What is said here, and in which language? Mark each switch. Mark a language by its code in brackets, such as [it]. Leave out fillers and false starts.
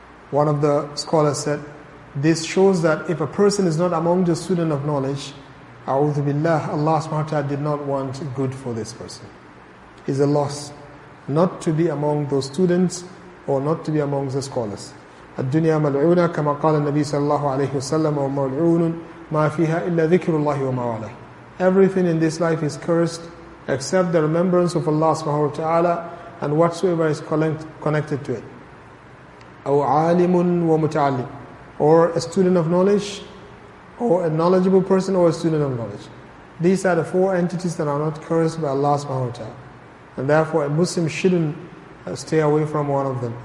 [en] One of the scholars said, this shows that if a person is not among the students of knowledge, A'udhu billah, Allah subhanahu wa ta'ala did not want good for this person. It's a loss not to be among those students or not to be among the scholars. [ar] الدنيا ملعونة كما قال النبي صلى الله عليه وسلم وملعون ما فيها إلا ذكر الله وما عليه. [en] Everything in this life is cursed except the remembrance of Allah subhanahu wa ta'ala and whatsoever is connected to it. [ar] أو عالم ومتعلم, [en] or a student of knowledge, or a knowledgeable person, or a student of knowledge. These are the four entities that are not cursed by Allah subhanahu wa ta'ala. And therefore, a Muslim shouldn't stay away from one of them.